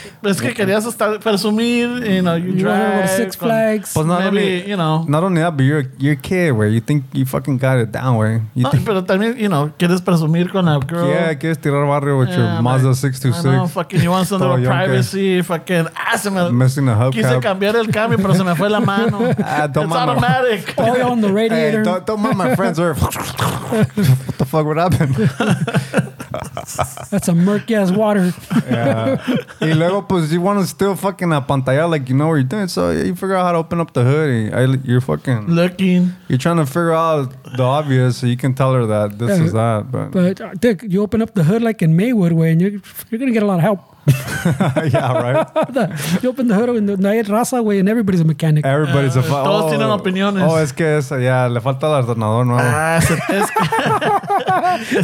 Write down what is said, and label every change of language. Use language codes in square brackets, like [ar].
[es] es que querías estar presumir, [en] you know, you drive Six Flags. But not maybe, only, you know, not only that, but you're a kid, where you think you fucking got it down, where you think, [es] pero también, [en] you know, [es] quieres presumir con la girl. Yeah, quieres tirar barrio [en] with your Mazda 626. No, fucking, you want some little privacy, fucking awesome. Missing the hubcap. [es] Quise cambiar el cambio, pero se me fue la mano. [en] It's automatic. Oil on the radiator. Hey, don't mind my friends. What the fuck would happen? That's a murky ass water. Yeah. [es] Y luego, pues, [en] you want to still fucking apantallar, like you know what you're doing. So you figure out how to open up the hood. You're fucking looking. You're trying to figure out the obvious so you can tell her that this is that. But Dick, you open up the hood like in Maywood way and you're going to get a lot of help. Yeah, right. You open the hood in the Nayet Raza way and everybody's a mechanic. Everybody's [es] todos tienen opiniones. Oh, es que esa, ya, le falta el ordenador nuevo.